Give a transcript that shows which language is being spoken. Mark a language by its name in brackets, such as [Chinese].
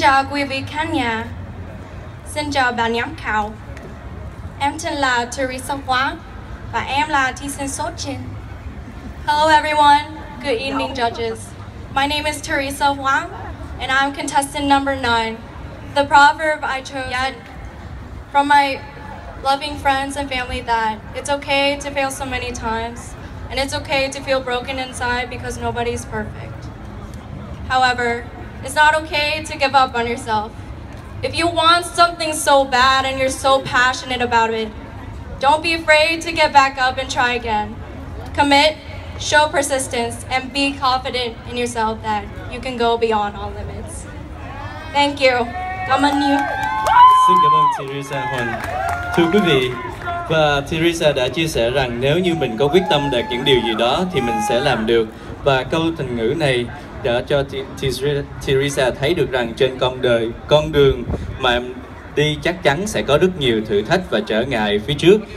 [Vietnamese] Quý vị khán giả, xin chào bạn giám khảo. Em tên là Teresa Hoàng và em là thí sinh số 9. [English] Hello everyone, good evening judges. My name is Teresa Hoàng and I'm contestant number 9. The proverb I chose from my loving friends and family that it's okay to fail so many times and it's okay to feel broken inside because nobody's perfect. However, it's not okay to give up on yourself. If you want something so bad and you're so passionate about it, don't be afraid to get back up and try again. Commit, show persistence, and be confident in yourself that you can go beyond all limits. Thank you. [Vietnamese] Cảm ơn [English] you. [Vietnamese] Xin cảm ơn Teresa Huỳnh. Thưa quý vị, và Teresa đã chia sẻ rằng nếu như mình có quyết tâm đạt những điều gì đó thì mình sẽ làm được. Và câu thành ngữ này đã cho Teresa thấy được rằng trên con đời, con đường mà em đi chắc chắn sẽ có rất nhiều thử thách và trở ngại phía trước.